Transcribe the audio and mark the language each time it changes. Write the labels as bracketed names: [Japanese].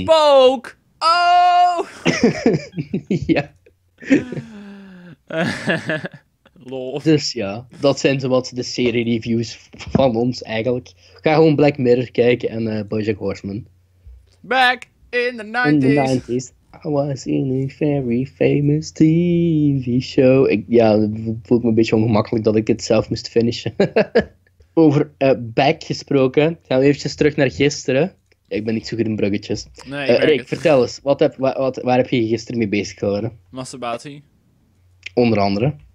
[Dutch] Spook! Oh! Ja. Lol. Dus ja, dat zijn zowat de serie reviews van ons eigenlijk. Ga gewoon Black Mirror kijken en BoJack Horseman. [English] Back in the In the 90s. 90s, I was in a very famous TV show. [Dutch] Ja, voelt me een beetje ongemakkelijk dat ik dit zelf moest finishen. Over back gesproken, gaan we eventjes terug naar gisteren. Ik ben niet zo goed in bruggetjes. Nee, ik merk Rick, het. vertel eens, waar heb je gisteren mee bezig gehouden? Masturbatie. Onder andere.